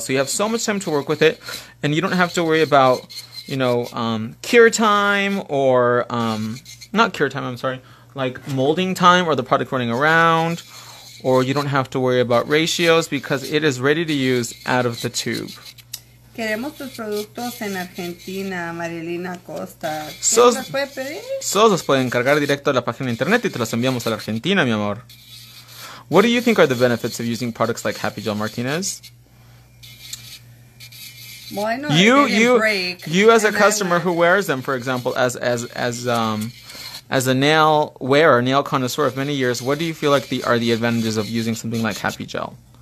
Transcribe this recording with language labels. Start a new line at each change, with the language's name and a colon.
English: So you have so much time to work with it. And you don't have to worry about, you know, cure time or... not cure time, I'm sorry. Like molding time or the product running around. Or you don't have to worry about ratios because it is ready to use out of the tube.
Spanish: Queremos tus productos en Argentina, Marilina Costa. Solo los pueden cargar directo a la página de internet y te los enviamos a la Argentina, mi amor.
English: What do you think are the benefits of using products like Happy Gel Martinez?
Spanish: Bueno,
English: you as a customer who wears them, for example, as a nail wearer, nail connoisseur of many years, what do you feel like are the advantages of using something like Happy Gel?